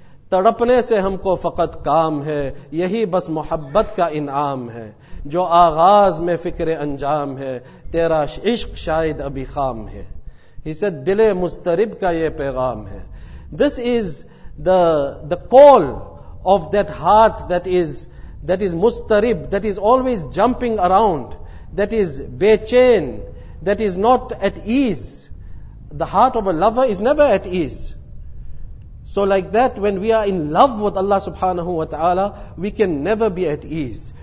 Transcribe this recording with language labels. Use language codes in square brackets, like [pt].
[ur] تڑپنے سے ہم کو فقط کام ہے یہی بس محبت کا انعام ہے جو آغاز میں فکر انجام ہے تیرا عشق شاید ابھی خام ہے. [en] He said, [ur] دل مسترب کا یہ پیغام ہے. [en] This is the call of that heart that is مسترب, that is always jumping around, that is [ur] بے چین, [en] that is not at ease. The heart of a lover is never at ease. So like that, when we are in love with Allah subhanahu wa ta'ala, we can never be at ease.